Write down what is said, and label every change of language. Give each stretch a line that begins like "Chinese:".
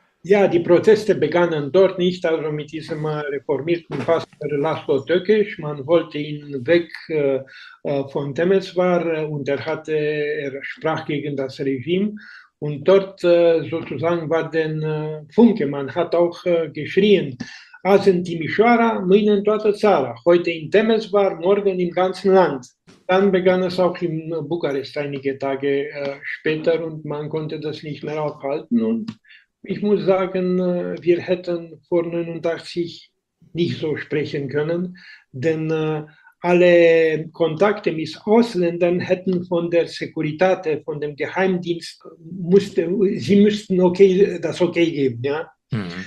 German: Ja, die Proteste begannen dort nicht, also mit diesem reformierten Pastor Laszlo Tökös. Man wollte ihn weg von Temeswar und er sprach gegen das Regime. Und dort sozusagen war der Funke, man hat auch geschrien.
Romanian: Azi în Timișoara, mâine în toată țara,
German: heute in Temeswar, morgen im ganzen Land. Dann begann es auch in Bukarest einige Tage später und man konnte das nicht mehr aufhalten. Und ich muss sagen, wir hätten vor 89 nicht so sprechen können, denn alle Kontakte mit Ausländern hätten von der Securitate, von dem Geheimdienst, sie müssten okay geben. Ja?